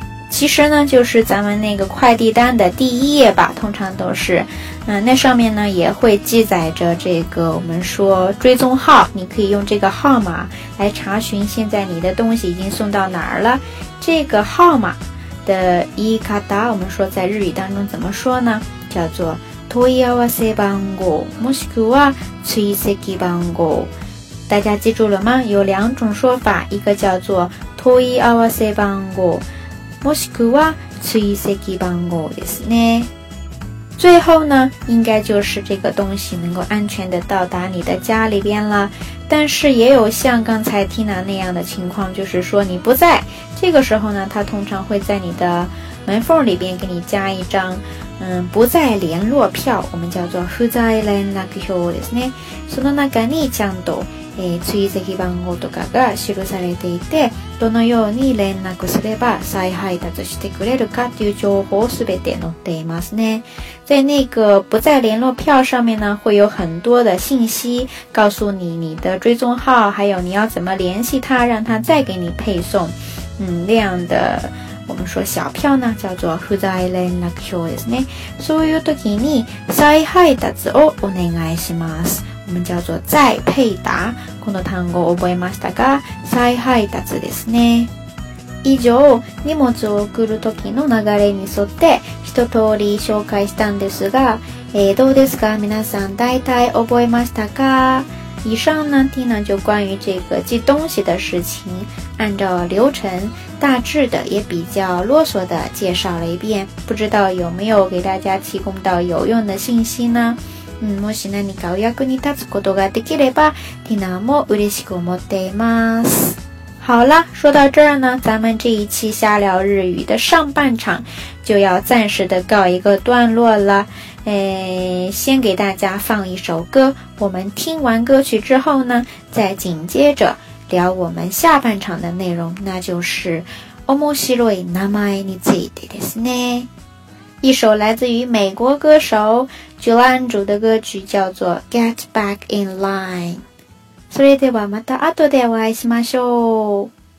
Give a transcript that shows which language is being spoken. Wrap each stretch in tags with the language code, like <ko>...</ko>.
<zh>其实呢，就是咱们那个快递单的第一页吧，通常都是，那上面呢也会记载着这个我们说追踪号，你可以用这个号码来查询现在你的东西已经送到哪儿了。这个号码的言い方，我们说在日语当中怎么说呢？叫做</zh> <ja>問い合わせ番号，もしくは追跡番号。</ja> <zh>大家记住了吗？有两种说法，一个叫做</zh> <ja>問い合わせ番号，もしくは追跡番号ですね。</ja> <zh>最后呢，应该就是这个东西能够安全的到达你的家里边了。但是也有像刚才 Tina 那样的情况，就是说你不在，这个时候呢，他通常会在你的门缝里边给你加一张不在联络票，我们叫做</zh> <ja>不在联絡票ですね。その中にちゃんと追跡番号とかが記されていて、どのように連絡すれば再配達してくれるかという情報すべて載っていますね。</ja> <zh>在那个不在联络票上面呢，会有很多的信息告诉你你的追踪号，还有你要怎么联系他，让他再给你配送。那样的我们说小票呢，叫做不在联络票ですね。</zh> <ja>そういう時に再配達をお願いします。</ja> <zh>我们叫做</zh> <ja>再配達。この単語を覚えましたが、再配達ですね。以上、荷物を送る時の流れに沿って一通り紹介したんですが、どうですか？皆さん大体覚えましたか？</ja> <zh>以上呢，ティナ就关于这个寄东西的事情，按照流程大致的也比较啰嗦的介绍了一遍，不知道有没有给大家提供到有用的信息呢？</zh> <ja>もし何かお役に立つことができれば、ティナも嬉しく思っています。</ja> <zh>好啦，说到这儿呢，咱们这一期瞎聊日语的上半场就要暂时的告一个段落了。先给大家放一首歌，我们听完歌曲之后呢，再紧接着聊我们下半场的内容，那就是</zh> <ja>面白い名前についてですね。</ja> <zh>一首来自于美国歌手ジュランジュ的歌曲叫做 Get Back in Line。</zh> <ja>それではまた後でお会いしましょう。</ja>